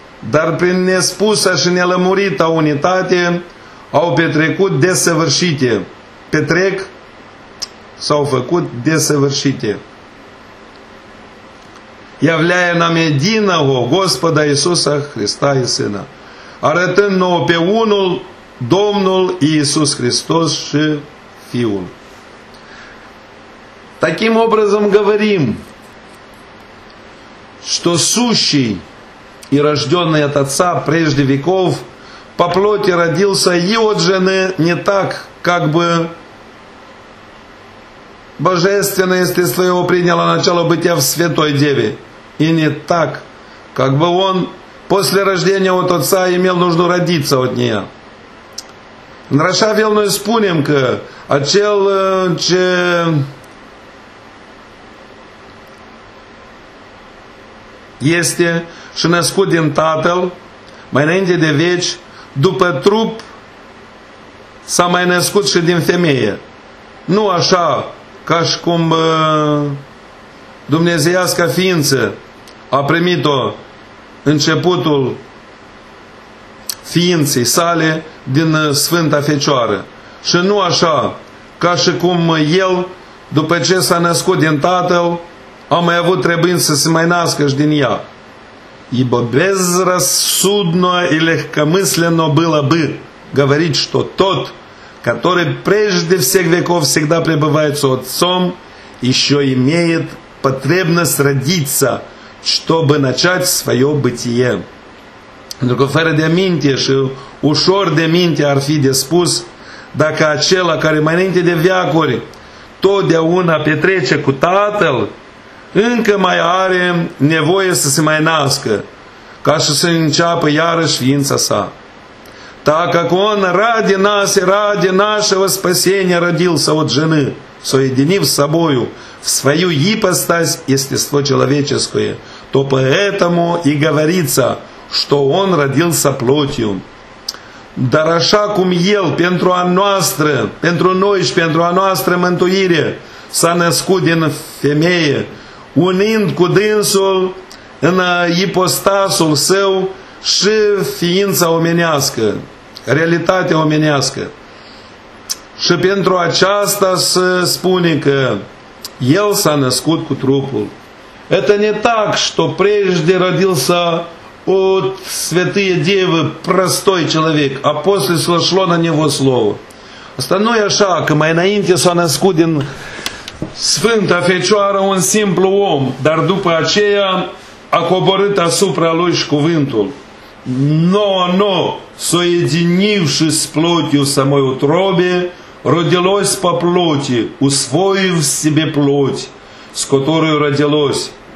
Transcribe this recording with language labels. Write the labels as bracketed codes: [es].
[ro] Dar prin nespusă și nelămurită unitate au petrecut desăvârșite. Petrec s-au făcut desăvârșite. [ru] Являя нам единого Господа Иисуса Христа и Сына. [ro] Arătând nouă pe unul Domnul Iisus Hristos și Fiul. [ru] Таким образом говорим, что сущий и рожденный от Отца прежде веков, по плоти родился и от жены не так, как бы божественное естество его приняло начало бытия в Святой Деве, и не так, как бы он после рождения от Отца имел нужду родиться от нее. [ro] Нарашавил мы спунем, а чел, че... Este și născut din Tatăl, mai înainte de veci, după trup, s-a mai născut și din femeie. Nu așa, ca și cum dumnezeiasca ființă a primit-o începutul ființei sale din Sfânta Fecioară. Și nu așa, ca și cum el, după ce s-a născut din Tatăl, a mai avut trebuință să se mai nască și din ea. [ru] Ибо безрассудно и легкомысленно было бы говорить, что тот, который прежде всех веков всегда пребывает с Отцом, еще имеет потребность родиться, чтобы начать свое бытие. [ro] Только фără de minte și ușor de minte ar fi de spus, dacă acela care mai înainte de veacuri totdeauna petrece cu Tatăl, încă mai are nevoie să se mai nască, ca și să înceapă iarăși ființa sa. [ru] Така он ради нас и ради нашего спасения родился от жены, соединив с собою в свою ипостась естество человеческое, то поэтому и говорится, что он родился плотью. [ro] Dar așa cum el pentru a noastră, pentru noi și pentru a noastră mântuire s-a născut din femeie, unind cu dânsul în ipostasul său și ființa omenească, realitatea omenească. Și pentru aceasta se spune că el s-a născut cu trupul. [ru] Это не так, что прежде родился от святые девы простой человек, а после сошло на него слово. [ro] Asta nu e așa, că mai înainte s-a născut din Sfânta Fecioară un simplu om, dar după aceea a coborât asupra lui și cuvântul. [ru] Но, соединившись плотью самой утробе, родилось по плоти, усвоив себе плоть, с которой родилось.